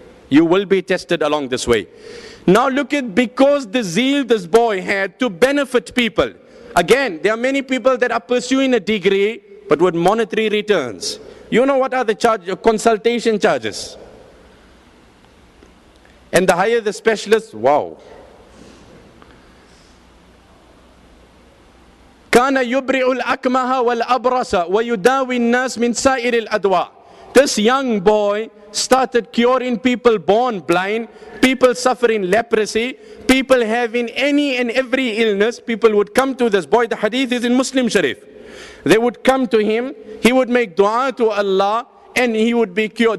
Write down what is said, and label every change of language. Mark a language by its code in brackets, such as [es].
[en] You will be tested along this way. Now look at, because the zeal this boy had to benefit people. Again, there are many people that are pursuing a degree but with monetary returns. You know what are the charges, consultation charges. And the higher the specialist, wow. [ar] كان يبرع الأكمه والأبرص ويداوي الناس من سائر الأدواء. [en] This young boy started curing people born blind, people suffering leprosy, people having any and every illness. People would come to this boy. The hadith is in Muslim Sharif. They would come to him, he would make dua to Allah, and he would be cured.